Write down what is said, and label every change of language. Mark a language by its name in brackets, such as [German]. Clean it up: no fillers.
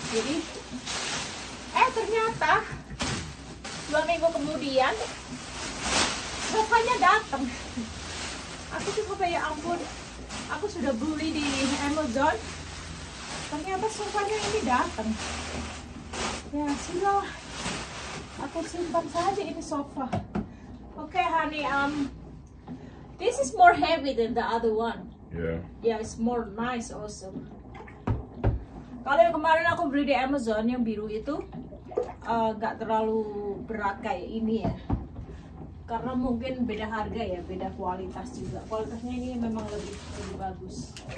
[Indonesian] Jadi ternyata 2 minggu kemudian bapaknya datang. Aku cuma kayak, ampun, aku sudah beli di Amazon, ternyata sofanya ini datang. Ya sudah, aku simpan saja ini sofa. [English] Okay, honey, this is more heavy than the other one. Yeah. Yeah, it's more nice also. [Indonesian] Kalau yang kemarin aku beli di Amazon yang biru itu gak terlalu berat kayak ini ya. Karena mungkin beda harga ya, beda kualitas juga. Kualitasnya ini memang lebih bagus.